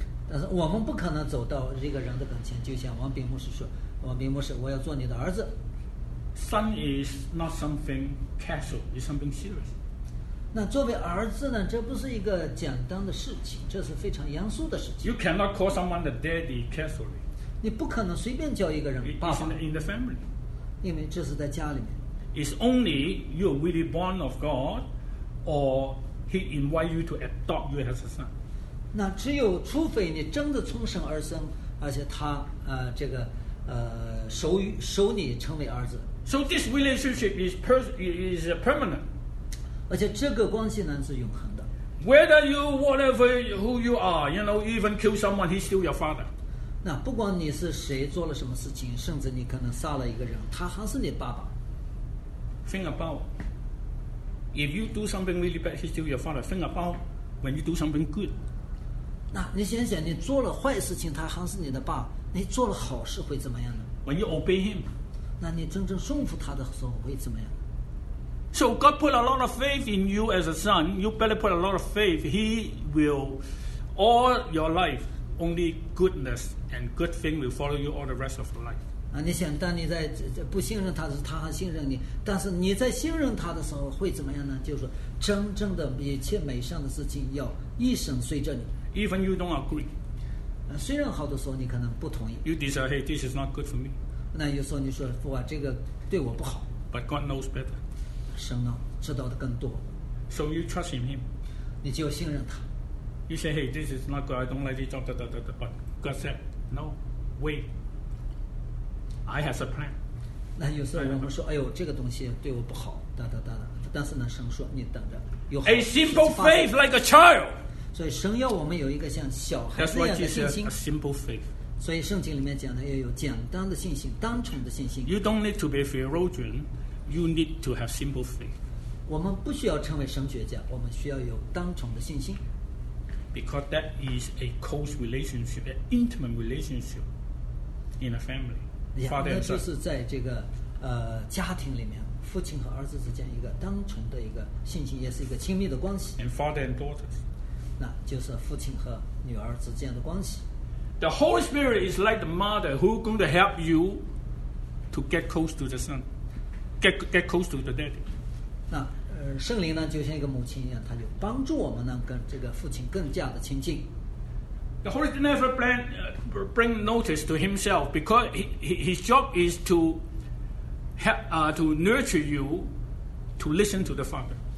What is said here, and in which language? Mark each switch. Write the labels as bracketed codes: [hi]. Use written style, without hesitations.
[zh] 但是我们不可能走到一个人的跟前，就像王炳牧师说，王炳牧师，我要做你的儿子。 [en] Son is not something casual; it's something serious. [zh] 那作为儿子呢，这不是一个简单的事情，这是非常严肃的事情。 [en] You cannot call someone the daddy casually. [zh] 你不可能随便叫一个人爸爸。 [en] It's in the family. [zh] 因为这是在家里面。 [en] It's only you are really born of God, or he invite you to adopt you as a son. [zh] 那只有除非你真的从神而生，而且他这个收你成为儿子。 [en] So this relationship is permanent. [zh] 而且这个关系呢是永恒的。 [en] Whether you whatever who you are, you know, even kill someone, he's still your father. [zh] 那不管你是谁，做了什么事情，甚至你可能杀了一个人，他还是你爸爸。 [en] Think about if you do something really bad, he's still your father. Think about when you do something good. [zh] 那你想想，你做了坏事情，他还是你的爸；你做了好事会怎么样呢 [en] ？When you obey him, [zh] 那你真正顺服他的时候会怎么样？ [en] So God put a lot of faith in you as a son. You better put a lot of faith. He will all your life only goodness and good thing will follow you all the rest of your life. [zh] 啊，你想当你在不信任他时，他还信任你；但是你在信任他的时候会怎么样呢？就是真正的一切美善的事情要一生随着你。 [en] Even you don't agree. [zh] 虽然好多时候你可能不同意。 [en] You decide, hey, this is not good for me. [zh] 那有时候你说父啊，这个对我不好。 [en] But God knows better. [zh] 神呢知道的更多。 [en] So you trust in him. [zh] 你就信任他。 [en] You say, hey, this is not good. I don't like this job. But God said, no, wait. I have a plan. [zh] 那有时候我们说，哎呦，这个东西对我不好，但是呢，神说，你等着，有好。 [en] A simple faith like a child. [zh] 所以神要我们有一个像小孩子一样的信心。 [en] That's why Jesus said, a simple faith. [zh] 所以圣经里面讲的要有简单的信心，单纯的信心。 [en] You don't need to be a theologian, you need to have simple faith. [zh] 我们不需要成为神学家，我们需要有单纯的信心。 [en] Because that is a close relationship, an intimate relationship in a family. Father and son. [zh] 那就是在这个家庭里面，父亲和儿子之间一个单纯的一个信心，也是一个亲密的关系。 [en] And father and daughters. [zh] 那就是父亲和女儿之间的关系。 [en] The Holy Spirit is like the mother who is going to help you to get close to the son, get close to the daddy. [zh] 那圣灵呢，就像一个母亲一样，他就帮助我们呢，跟这个父亲更加的亲近。 [en] The Holy Spirit never bring notice to himself because his job is to help, to nurture you to listen to the Father.